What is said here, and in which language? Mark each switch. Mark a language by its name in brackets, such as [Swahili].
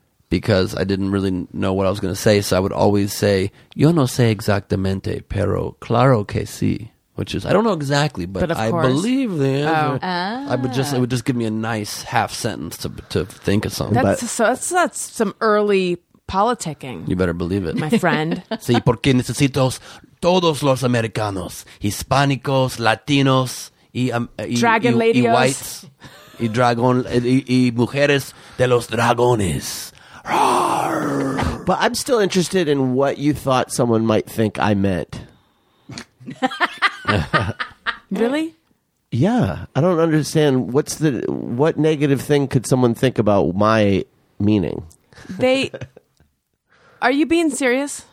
[English] Because I didn't really know what I was going to say. So I would always say, [Spanish] yo no sé exactamente, pero claro que sí. [English] Which is, I don't know exactly, but I believe the answer. Oh. It would just give me a nice half sentence to think of something. That's some early politicking. You better believe it. My friend. [Spanish] Sí, porque necesito todos los americanos. Hispanicos, latinos, y whites. Y dragón, y mujeres de los dragones. [English] But I'm still interested in what you thought someone might think I meant. Really? Yeah. I don't understand. What negative thing could someone think about my meaning? They... Are you being serious?